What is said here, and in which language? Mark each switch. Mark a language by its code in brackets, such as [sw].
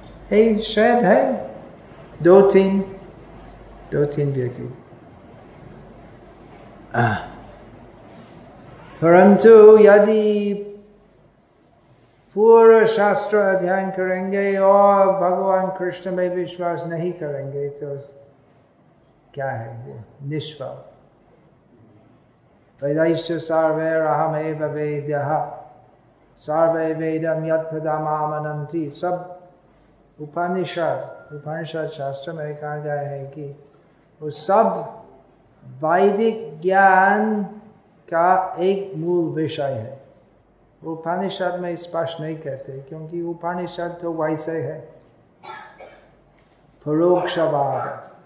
[hi] है शायद है दो तीन व्यक्ति, परंतु यदि पूरा शास्त्र अध्ययन करेंगे और भगवान कृष्ण में विश्वास नहीं करेंगे तो क्या है वो निष्फल। [sa] वैदैश्च सर्वैरहमेव वेद्यः सर्वै वेदं यत्पदमामनन्ति। [hi] सब उपनिषद शास्त्र में कहा गया है कि वो सब वैदिक ज्ञान का एक मूल विषय है। उपनिषद में स्पष्ट नहीं कहते क्योंकि उपनिषद तो वैसे है परोक्षवाद।